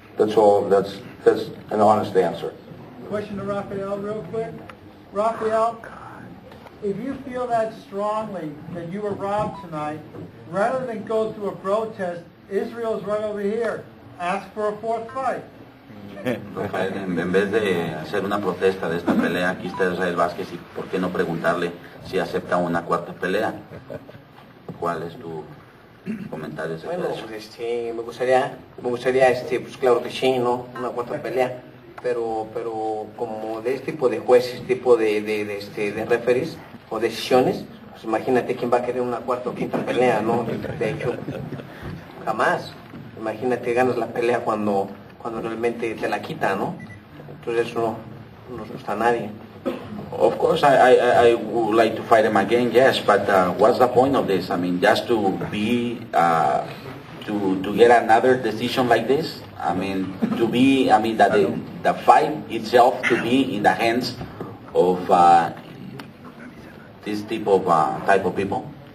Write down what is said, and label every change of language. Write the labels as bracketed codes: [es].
[en] That's all. That's an honest answer. Question to Rafael real quick. Rafael, if you feel that strongly that you were robbed tonight, rather than go through a protest, Israel's right over here. Ask for a fourth fight. [es] Rafael, en vez de hacer una protesta de esta pelea, aquí está Israel Vázquez, y por qué no preguntarle si acepta una cuarta pelea. ¿Cuál es tu comentario acerca de eso? Bueno, me gustaría, pues claro que sí, ¿no? Una cuarta pelea. Pero como de este tipo de jueces, tipo de referees o decisiones, pues imagínate quién va a querer una cuarta o quinta pelea, ¿no? De hecho, jamás. Imagínate, ganas la pelea cuando realmente te la quita, ¿no? Entonces eso no nos gusta a nadie. [en] Of course, I would like to fight him again, yes, but what's the point of this? I mean, just to be, to get another decision like this? I mean, that the fight itself to be in the hands of this type of people.